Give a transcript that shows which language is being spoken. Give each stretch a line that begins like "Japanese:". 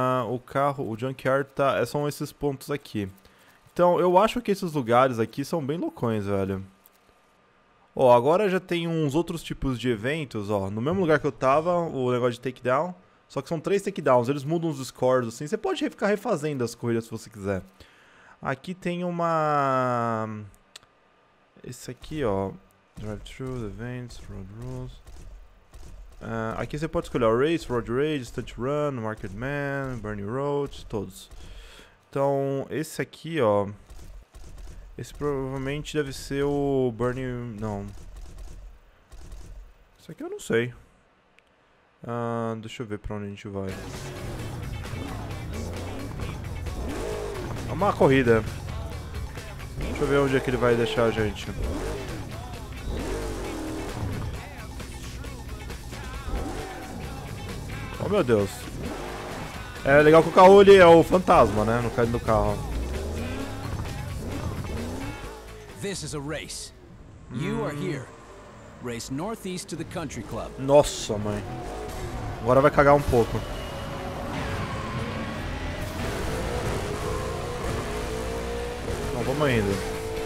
Portuguese: O carro, o junkyard tá, são esses pontos aqui. Então, eu acho que esses lugares aqui são bem loucões, velho. Ó, agora já tem uns outros tipos de eventos, ó. No mesmo lugar que eu tava, o negócio de takedown, Só que são três takedowns, eles mudam os scores, assim. Você pode ficar refazendo as corridas se você quiser. Aqui tem uma... Esse aqui, ó.
English: Drive through, the vents, road rules.
Portuguese: Aqui você pode escolher race, road rage, stunt run, market man, burning roads, todos. Então, esse aqui, ó. Esse provavelmente deve ser o burning... Não. Esse aqui eu não sei. Deixa eu ver pra onde a gente vai. É uma corrida. Deixa eu ver onde é que ele vai deixar a gente. Oh, meu Deus. É legal que o carro ali é o fantasma, né? No caso do carro.
English: This is a race. You are here. Race northeast to the country club.
Portuguese: Nossa, mãe. Agora vai cagar um pouco. Não, vamos ainda.